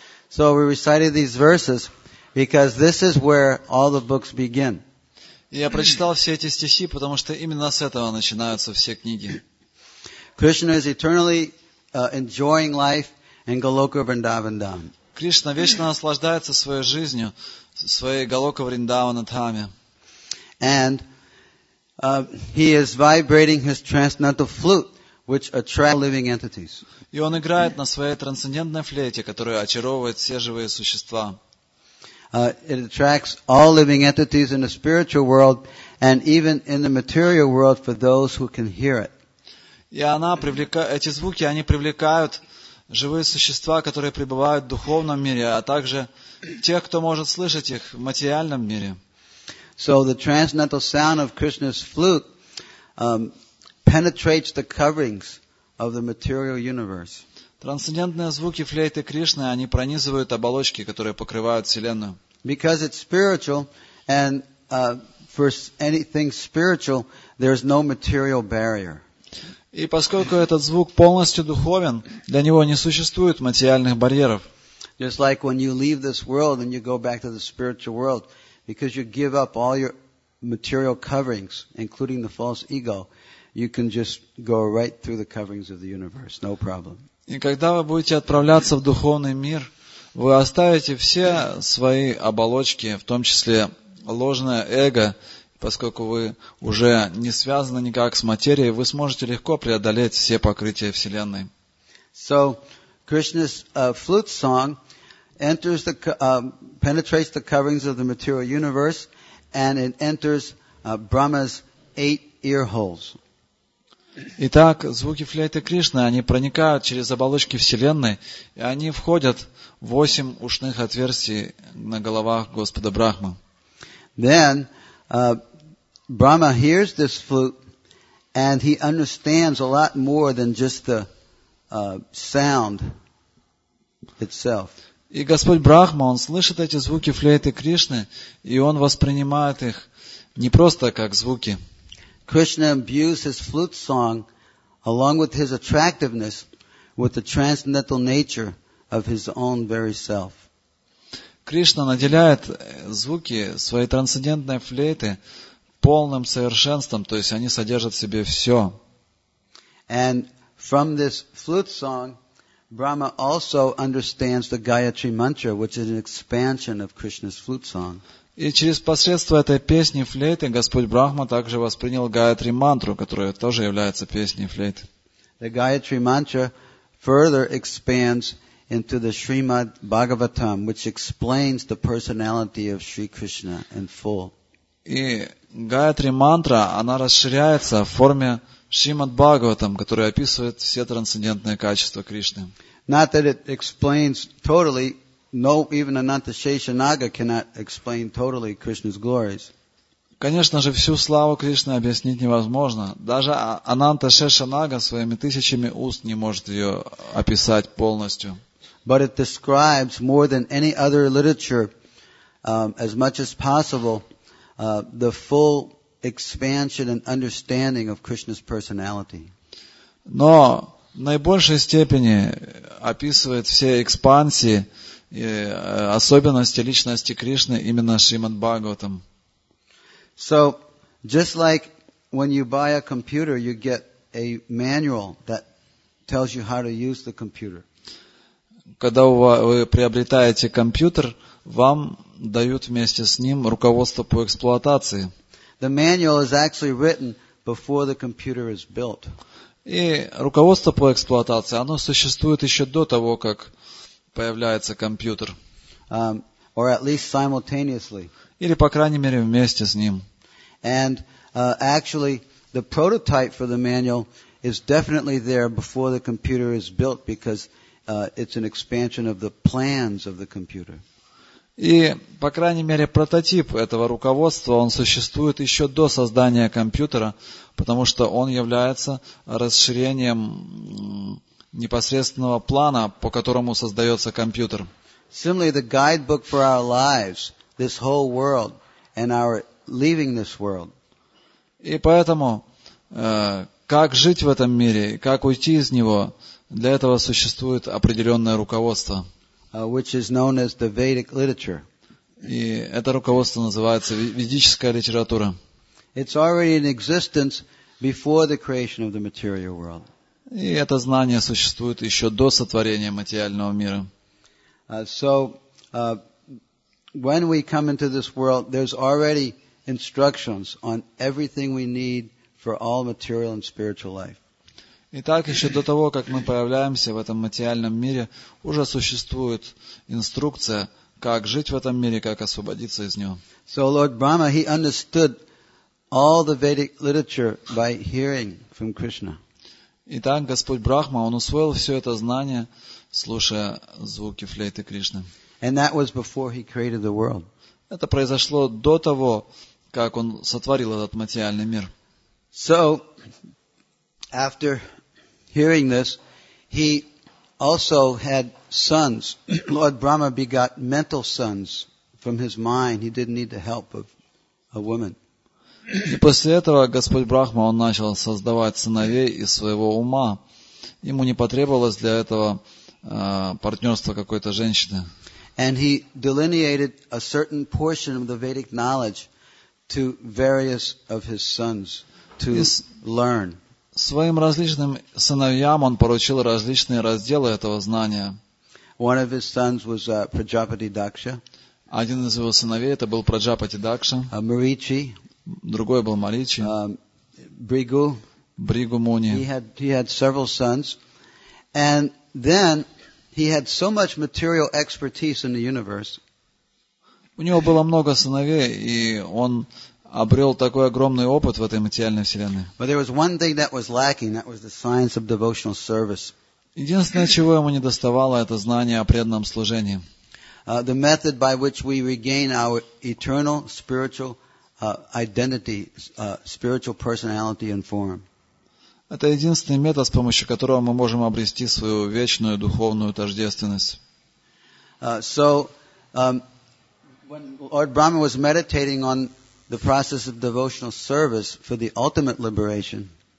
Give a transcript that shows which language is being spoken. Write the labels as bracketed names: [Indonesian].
[English] So we recited these verses because this is where all the books begin. [Russian] Я прочитал все эти стихи, потому что именно с этого начинаются все книги. [English] Krishna is eternally enjoying life in Goloka Vrindavan Dham. [Russian] Krishna вечно наслаждается своей жизнью в своей Goloka Vrindavan Dhamе. [English] And he is vibrating his transcendental flute, which attracts living entities. [Russian] И он играет на своей трансцендентной флейте, которая очаровывает все живые существа. [English] It attracts all living entities in the spiritual world and even in the material world for those who can hear it. [Russian] И она привлекает эти звуки, они привлекают живые существа, которые пребывают в духовном мире, а также те, кто может слышать их в материальном мире. [English] So the transcendental sound of Krishna's flute penetrates the coverings of the material universe. [Russian] Трансцендентные звуки флейты Кришны, они пронизывают оболочки, которые покрывают Вселенную. [English] Because it's spiritual, and for anything spiritual, there's no material barrier. [Russian] И поскольку этот звук полностью духовен, для него не существует материальных барьеров. [English] Just like when you leave this world and you go back to the spiritual world, because you give up all your material coverings, including the false ego, you can just go right through the coverings of the universe, no problem. [Russian] И когда вы будете отправляться в духовный мир, вы оставите все свои оболочки, в том числе ложное эго, поскольку вы уже не связаны никак с материей, вы сможете легко преодолеть все покрытия Вселенной. [English] So, Krishna's flute song enters the, penetrates the coverings of the material universe, and it enters Brahma's eight ear holes. [Russian] Итак, звуки флейты Кришны, они проникают через оболочки Вселенной, и они входят в восемь ушных отверстий на головах Господа Брахмы. [English] Then, Brahma hears this flute, and he understands a lot more than just the sound itself. [Russian] И Господь Брахма, он слышит эти звуки флейты Кришны, и он воспринимает их не просто как звуки. [English] Krishna imbues his flute song along with his attractiveness with the transcendental nature of his own very self. [Russian] Кришна наделяет звуки своей трансцендентной флейты полным совершенством, то есть они содержат в себе все. [English] And from this flute song, Brahma also understands the Gayatri Mantra, which is an expansion of Krishna's flute song. [Russian] И через посредство этой песни флейты Господь Брахма также воспринял Гаятри мантру, которая тоже является песней флейты. [English] The Gayatri Mantra further expands into the Srimad Bhagavatam, which explains the personality of Sri Krishna in full. [Russian] И Гаятри мантра, она расширяется в форме Шримад Бхагаватам, который описывает все трансцендентные качества Кришны. [English] Not that it explains totally. No, even Anantashesha Naga cannot explain totally Krishna's glories. [Russian] Конечно же, всю славу Кришны объяснить невозможно. Даже Ананташеша Нага своими тысячами уст не может ее описать полностью. [English] But it describes more than any other literature, as much as possible, the full expansion and understanding of Krishna's personality. [Russian] Но в наибольшей степени описывает все экспансии и особенности личности Кришны именно Шримад Бхагаватам. [English] So, just like when you buy a computer, you get a manual that tells you how to use the computer. [Russian] Когда вы приобретаете компьютер, вам дают вместе с ним руководство по эксплуатации. [English] The manual is actually written before the computer is built. [Russian] И руководство по эксплуатации, оно существует еще до того, как появляется компьютер. [English] Or at least simultaneously. [Russian] Или, по крайней мере, вместе с ним. [English] And actually, the prototype for the manual is definitely there before the computer is built because it's an expansion of the plans of the computer. [Russian] И, по крайней мере, прототип этого руководства, он существует еще до создания компьютера, потому что он является расширением непосредственного плана, по которому создается компьютер. [English] Similarly, the guidebook for our lives, this whole world, and our leaving this world. [Russian] И поэтому, как жить в этом мире, как уйти из него, для этого существует определенное руководство. [English] Which is known as the Vedic literature. [Russian] И это руководство называется ведическая литература. [English] It's already in existence before the creation of the material world. [Russian] И это знание существует еще до сотворения материального мира. [English] When we come into this world, there's already instructions on everything we need for all material and spiritual life. [Russian] Итак, еще до того, как мы появляемся в этом материальном мире, уже существует инструкция, как жить в этом мире, как освободиться из него. [English] So Lord Brahma, he understood all the Vedic literature by hearing from Krishna. [Russian] Итак, Господь Брахма, он усвоил все это знание слушая звуки флейты Кришны. [English] And that was before he created the world. [Russian] Это произошло до того, как он сотворил этот материальный мир. [English] So, after hearing this, he also had sons. Lord Brahma begot mental sons from his mind. He didn't need the help of a woman. [Russian] И после этого Господь Брахма, он начал создавать сыновей из своего ума. Ему не потребовалось для этого партнерство какой-то женщины. [English] And he delineated a certain portion of the Vedic knowledge to various of his sons to learn. [Russian] Своим различным сыновьям он поручил различные разделы этого знания. [English] One of his sons was Prajapati Daksha. [Russian] Один из его сыновей это был Праджапати Дакша. Маричи. Другой был Маричи. Бригу. Бригу Муни. [English] He had several sons, and then he had so much material expertise in the universe. [Russian] У него было много сыновей, и он обрел такой огромный опыт в этой материальной вселенной. [English] But there was one thing that was lacking, that was the science of devotional service. [Russian] Единственное, чего ему не доставало, это знание о преданном служении. [English] The method by which we regain our eternal spiritual identity, spiritual personality and form. [Russian] Это единственный метод, с помощью которого мы можем обрести свою вечную духовную тождественность. [English] When Lord Brahma was meditating on the process of devotional service for the ultimate liberation.